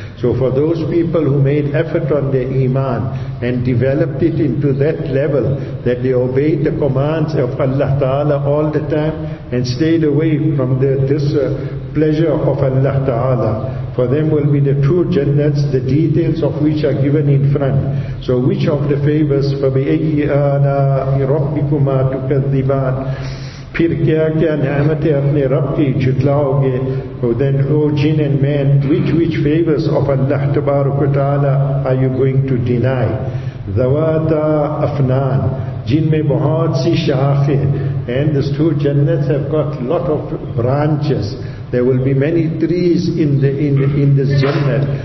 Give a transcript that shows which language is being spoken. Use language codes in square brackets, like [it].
[en] So for those people who made effort on their iman and developed it into that level that they obeyed the commands of Allah Ta'ala all the time and stayed away from the displeasure of Allah Ta'ala, for them will be the true jannats, the details of which are given in front. So which of the favors? [ar] فَبِأَيِّ آلَىٰ رَبِّكُمَا تُكَذِّبَانَ [ur] پھر کیا کیا نعمتیں اپنے رب کی جھٹلاؤ گے. [en] Then, O jinn and man, which favors of Allah tabaraka ta'ala are you going to deny? [ar] Zawata afnan, [ur] jinn mein bahut si shaakhein, [en] and these two jannats have got lot of branches. There will be many trees in this jannat.